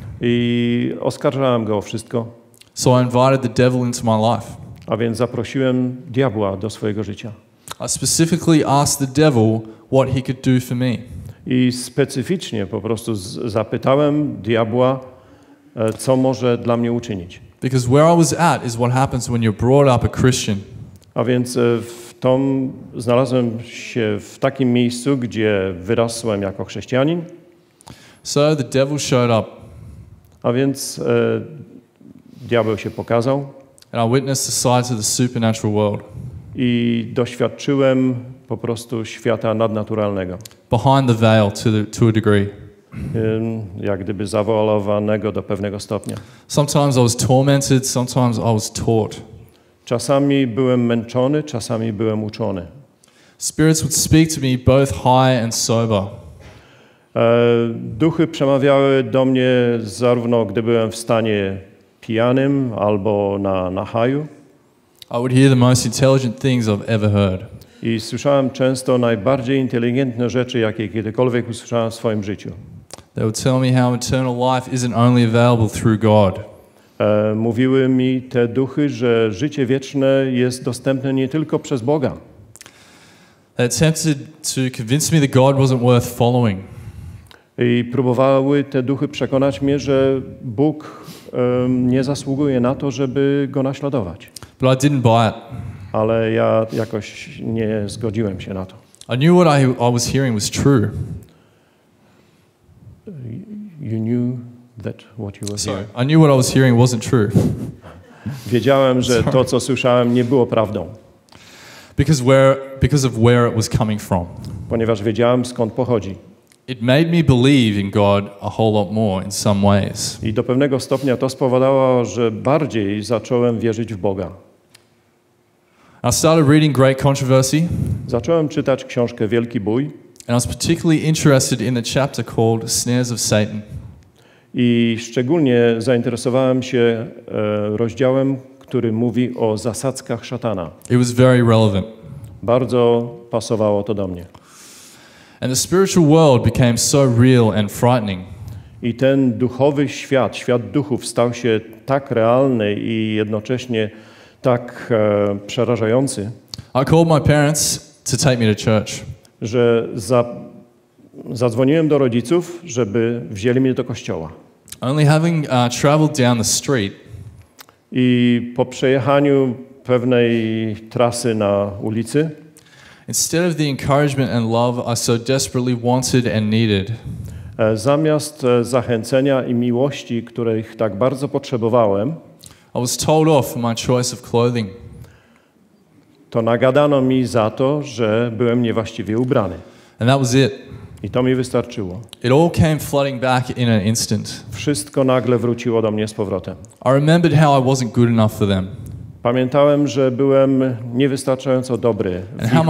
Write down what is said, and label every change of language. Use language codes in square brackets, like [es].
[pl] I oskarżałem go o wszystko. [en] So I invited the devil into my life. [pl] A więc zaprosiłem diabła do swojego życia. [en] I specifically asked the devil what he could do for me. [pl] I specyficznie po prostu zapytałem diabła, co może dla mnie uczynić. [en] Because where I was at is what happens when you're brought up a Christian. [pl] A więc znalazłem się w takim miejscu, gdzie wyrosłem jako chrześcijanin. [en] So the devil showed up. [pl] A więc diabeł się pokazał. [en] And I witnessed the sights of the supernatural world. [pl] I doświadczyłem po prostu świata nadnaturalnego. [en] Behind the veil to a degree. [pl] Jak gdyby zawoalowanego do pewnego stopnia. [en] Sometimes I was tormented, sometimes I was taught. [pl] Czasami byłem męczony, czasami byłem uczony. [en] Spirits would speak to me both high and sober. [pl] Duchy przemawiały do mnie zarówno gdy byłem w stanie pijanym albo na haju. [en] I would hear the most intelligent things I've ever heard. [pl] I słyszałem często najbardziej inteligentne rzeczy, jakie kiedykolwiek usłyszałem w swoim życiu. [en] They would tell me how eternal life isn't only available through God. [pl] Mówiły mi te duchy, że życie wieczne jest dostępne nie tylko przez Boga. [en] They attempted to convince me that God wasn't worth following. [pl] I próbowały te duchy przekonać mnie, że Bóg nie zasługuje na to, żeby go naśladować. [en] But I didn't buy it. [pl] Ale ja jakoś nie zgodziłem się na to. [en] I knew what I was hearing was true. You knew that what you were hearing. Sorry. I knew what I was hearing wasn't true. [pl] Wiedziałem, że [en] Sorry. [pl] To, co słyszałem, nie było prawdą. [en] Because of where it was coming from. [pl] Ponieważ wiedziałem, skąd pochodzi. [en] It made me believe in God a whole lot more in some ways. [pl] I do pewnego stopnia to spowodowało, że bardziej zacząłem wierzyć w Boga. [en] I started reading Great Controversy. [pl] Zacząłem czytać książkę Wielki Bój. [en] And I was particularly interested in the chapter called Snares of Satan. [pl] I szczególnie zainteresowałem się rozdziałem, który mówi o zasadzkach szatana. [en] It was very relevant. [pl] Bardzo pasowało to do mnie. [en] And the spiritual world became so real and frightening. [pl] I ten duchowy świat, świat duchów, stał się tak realny i jednocześnie tak przerażający. [en] I called my parents to take me to church. [pl] Że zadzwoniłem do rodziców, żeby wzięli mnie do kościoła. [en] Only having traveled down the street. [pl] I po przejechaniu pewnej trasy na ulicy. [en] Instead of the encouragement and love I so desperately wanted and needed. [pl] Zamiast zachęcenia i miłości, których tak bardzo potrzebowałem. [en] I was told off for my choice of clothing. [pl] To nagadano mi za to, że byłem niewłaściwie ubrany. [en] And that was it. [pl] I to mi wystarczyło. [en] It all came flooding back in an instant. [pl] Wszystko nagle wróciło do mnie z powrotem. [en] I remembered how I wasn't good enough for them. [pl] Pamiętałem, że byłem niewystarczająco dobry w ich